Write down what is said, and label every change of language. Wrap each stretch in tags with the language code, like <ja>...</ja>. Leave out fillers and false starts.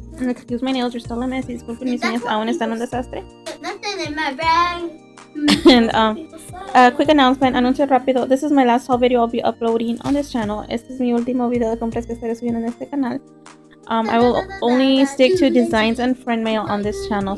<en>And excuse my nails. You're still a mess.</en> <es>Disculpen mis uñas. Aún están un desastre.</es> <en>Nothing in my bag. And quick announcement.</en> <es>Anuncio rápido.</es> <en>This is my last haul video I'll be uploading on this channel.</en> <es>Este es mi último video de compras que estaré subiendo en este canal.</es> <en>I will only stick to designs and friend mail on this channel.</en>